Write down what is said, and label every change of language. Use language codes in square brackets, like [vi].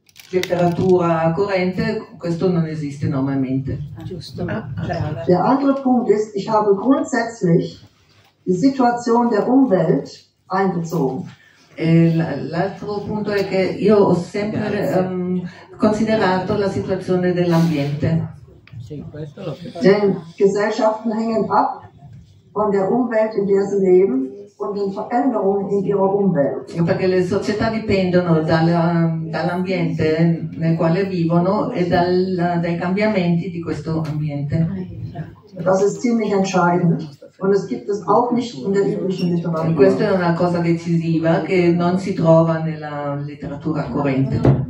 [it] Letteratura corrente, questo non esiste normalmente. Giusto. [de] Der andere Punkt ist, ich habe grundsätzlich die Situation der Umwelt einbezogen. [it] L'altro punto è che io ho sempre considerato la situazione dell'ambiente. [de] Denn Gesellschaften hängen ab von der Umwelt, in der sie leben. Und den Veränderungen in ihrer Umwelt. [it] E perché le società dipendono dall'ambiente nel quale vivono e dai cambiamenti di questo ambiente. [de] Das ist ziemlich entscheidend. Und es gibt es auch nicht in der üblichen Literatur. [it] Questa è una cosa decisiva che non si trova nella letteratura corrente.